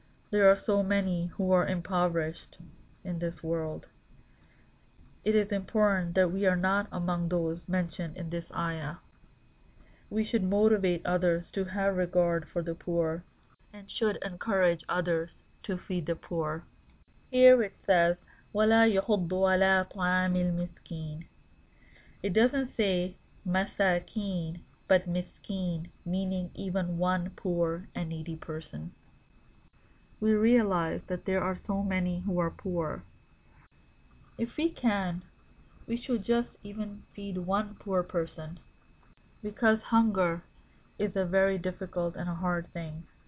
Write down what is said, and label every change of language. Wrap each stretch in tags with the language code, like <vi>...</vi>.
<en>There are so many who are impoverished in this world. It is important that we are not among those mentioned in this ayah. We should motivate others to have regard for the poor and should encourage others to feed the poor. Here it says,</en> <ar>وَلَا يَحُضُّ عَلَىٰ طَعَامِ الْمِسْكِينَ.</ar> <en>It doesn't say مَسَاكِينَ, but مِسْكِينَ, meaning even one poor and needy person. We realize that there are so many who are poor. If we can, we should just even feed one poor person, because hunger is a very difficult and a hard thing.</en>